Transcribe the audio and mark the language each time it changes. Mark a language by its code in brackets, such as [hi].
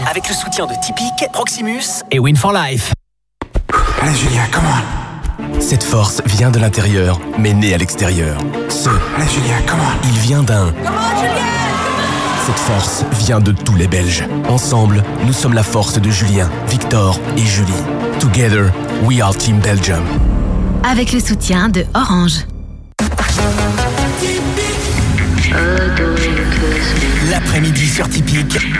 [fr] Avec le soutien de Typique, Proximus et Win for Life. Allez [en] Julia, come on. [fr] Cette force vient de l'intérieur, mais née à l'extérieur. Allez [en] Julia, come on. [fr] Il vient d'un... [en] Come on Julia. [fr] Cette force vient de tous les Belges. Ensemble, nous sommes la force de Julien, Victor et Julie. [en] Together, we are Team Belgium. [fr] Avec le soutien de Orange. L'après-midi sur Typique.